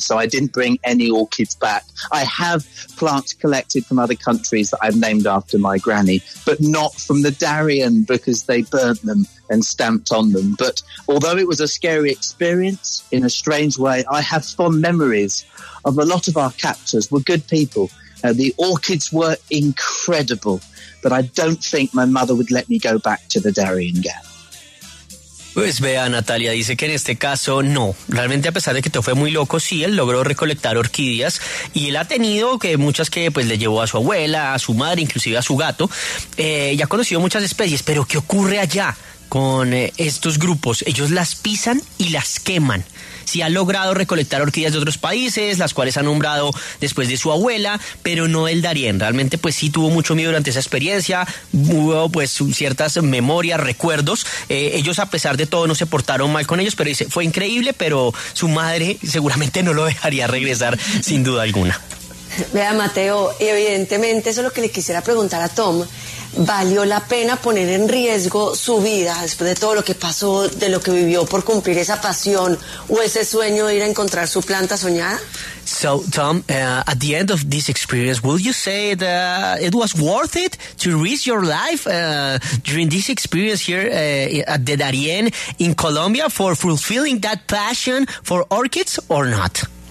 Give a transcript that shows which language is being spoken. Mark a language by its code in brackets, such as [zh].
[en] So I didn't bring any orchids back. I have plants collected from other countries that I've named after my granny, but not from the Darien because they burnt them and stamped on them. But although it was a scary experience in a strange way, I have fond memories of a lot of our captors were good people. The orchids were incredible, but I don't think my mother would let me go back to the Darien Gap. [es] Pues vea, Natalia dice que en este caso no, realmente a pesar de que todo fue muy loco, sí, él logró recolectar orquídeas y él ha tenido que muchas que pues le llevó a su abuela, a su madre, inclusive a su gato, y ha conocido muchas especies, pero ¿qué ocurre allá con estos grupos? Ellos las pisan y las queman. Sí ha logrado recolectar orquídeas de otros países, las cuales ha nombrado después de su abuela, pero no el Darién. Realmente, pues sí tuvo mucho miedo durante esa experiencia, hubo pues ciertas memorias, recuerdos. Ellos, a pesar de todo, no se portaron mal con ellos, pero dice, fue increíble, pero su madre seguramente no lo dejaría regresar, sin duda alguna. Vea, Mateo, y evidentemente eso es lo que le quisiera preguntar a Tom. ¿Valió la pena poner en riesgo su vida después de todo lo que pasó, de lo que vivió por cumplir esa pasión o ese sueño de ir a encontrar su planta soñada? [en] So, Tom, at the end of this experience, will you say that it was worth it to risk your life during this experience here at the Darién in Colombia for fulfilling that passion for orchids or not?